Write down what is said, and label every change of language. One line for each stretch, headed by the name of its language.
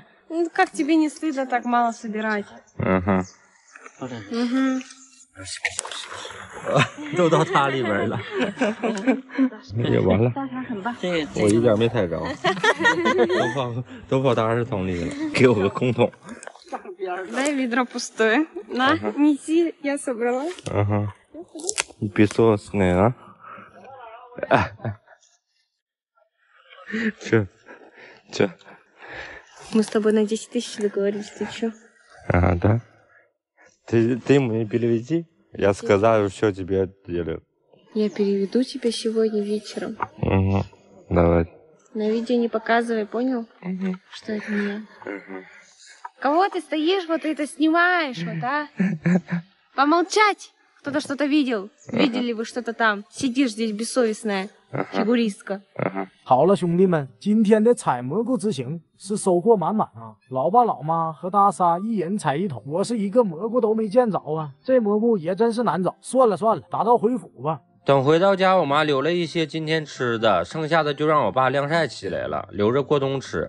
Russian: 嗯，как тебе не стыдно так мало собирать? 嗯哼。嗯哼。
Chinese: 都到他里边了，也完了，我一点没踩着，都跑到二十桶里了，给我个空桶。来
Russian: ведро пустое, на, неси, я собрала. Ага. Бессовестно, а? Че? Че? Мы с тобой на 10 000 договорились, ты че? А, да. Ты мне переведи. Я сказал, что тебе делю. Я переведу тебя сегодня вечером. Угу, давай. На видео не показывай, понял? Угу. Что это не я? Угу. Кого ты стоишь, вот это снимаешь, вот, а? Помолчать! Кто-то что-то видел. Видели вы что-то там. Сидишь здесь бессовестная.
Chinese: 是个
English: risk。
Chinese: 好了，兄弟们，今天的采蘑菇之行是收获满满啊！老爸老妈和大沙一人采一桶，我是一个蘑菇都没见着啊！这蘑菇也真是难找，算了算了，打道回府吧。等回到家，我妈留了一些今天吃的，剩下的就让我爸晾晒起来了，留着过冬吃。